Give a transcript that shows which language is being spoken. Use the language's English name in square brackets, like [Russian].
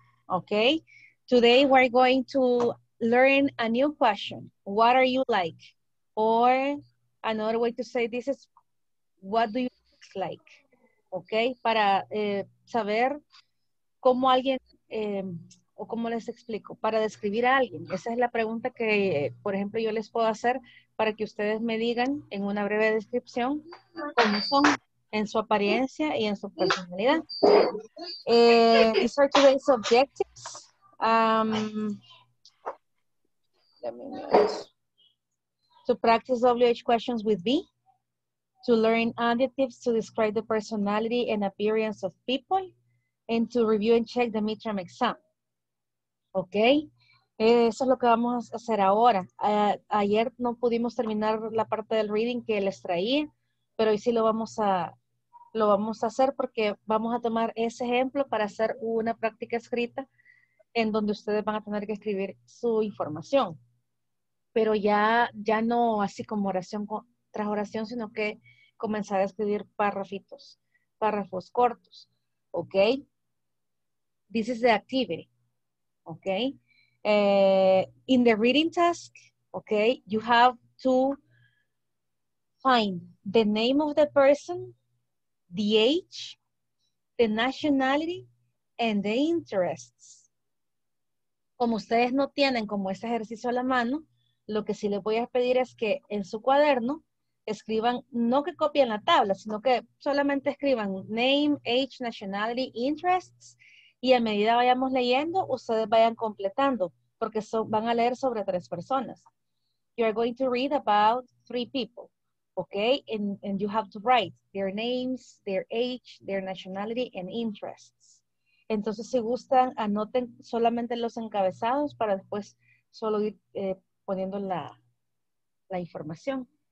[English] Okay, today we're going to learn a new question. What are you like? Or another way to say this is, what do you look like? [Spanish] Okay, para saber cómo alguien, o cómo les explico, para describir a alguien. Esa es la pregunta que, por ejemplo, yo les puedo hacer para que ustedes me digan en una breve descripción cómo son. En su apariencia y en su personalidad. [English] These are today's objectives. Let me know this. To practice WH questions with B. To learn adjectives to describe the personality and appearance of people. And to review and check the midterm exam. Okay. [Spanish] Eso es lo que vamos a hacer ahora. Ayer no pudimos terminar la parte del reading que les traía. Pero hoy sí lo vamos a hacer, porque vamos a tomar ese ejemplo para hacer una práctica escrita en donde ustedes van a tener que escribir su información. Pero ya no así como oración tras oración, sino que comenzar a escribir párrafitos, párrafos cortos. [English] ¿Ok? This is the activity. ¿Ok? In the reading task, ¿ok? You have to find the name of the person, the age, the nationality, and the interests. [Spanish] Como ustedes no tienen como este ejercicio a la mano, lo que sí les voy a pedir es que en su cuaderno escriban, no que copien la tabla, sino que solamente escriban name, age, nationality, interests, y a medida vayamos leyendo, ustedes vayan completando, porque van a leer sobre tres personas. [English] You are going to read about three people. Okay, and you have to write their names, their age, their nationality, and interests. [Spanish] Entonces, si gustan, anoten solamente los encabezados para después solo ir poniendo la información.